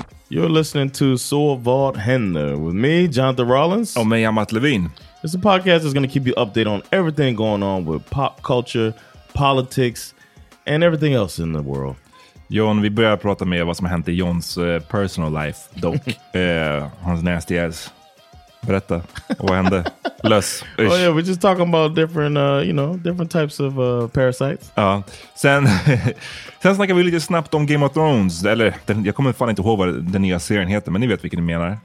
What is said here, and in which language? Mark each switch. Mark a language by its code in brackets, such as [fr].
[en] You're listening to Soul Vault Händer with me, Jonathan Rollins. Oh, me, I'm Matt Levine. It's a podcast that's going to keep you updated on everything going on with pop culture, politics, and everything else in the world. [sv] John, vi börjar prata med vad som har hänt i Johns [en] personal life, [sv] dock. Hans [en] nasty ass. [sv] Berätta, vad hände? Lös. [en] Oh yeah, we're just talking about different, you know, different types of parasites. [sv] Ja, sen snackar vi lite snabbt om Game of Thrones. Eller, jag kommer fan inte ihåg vad den nya serien heter, men ni vet vilken ni menar.